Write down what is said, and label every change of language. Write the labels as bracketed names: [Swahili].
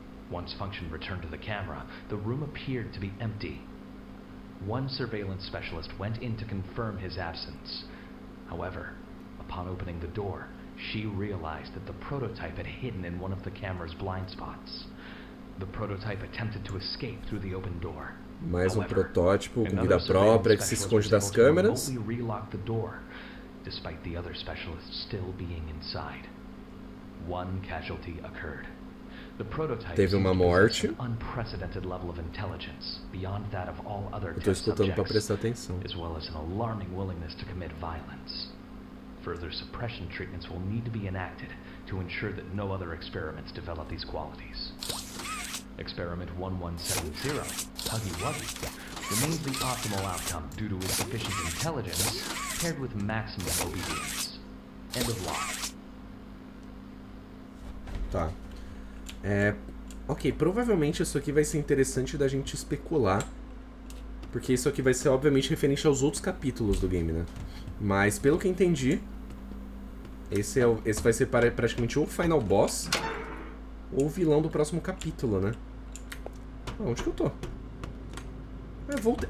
[English] Once function returned to the camera, the room appeared to be empty. One surveillance specialist went in to confirm his absence. However, upon opening the door, she realized that the prototype had hidden in one of the camera's blind spots. The prototype attempted to escape through the open door. [Portuguese] Mais um protótipo com vida própria que se esconde das câmeras. [English] He relocked the door, despite the other specialists still being inside. One casualty occurred. [Portuguese] The prototype teve uma morte. [English] Unprecedented level of intelligence beyond that of all other test subjects, as well as an alarming willingness to commit violence. Further suppression treatments will need to be enacted to ensure that no other experiments develop these qualities. Experiment 1170, Huggy Wuggy, remains the optimal outcome due to his sufficient intelligence paired with maximum obedience. End of log. [Portuguese] Tá. É, ok, provavelmente isso aqui vai ser interessante da gente especular, porque isso aqui vai ser obviamente referente aos outros capítulos do game, né? Mas pelo que entendi, esse vai ser praticamente o final boss ou o vilão do próximo capítulo, né? Ah, onde que eu tô? É, voltei.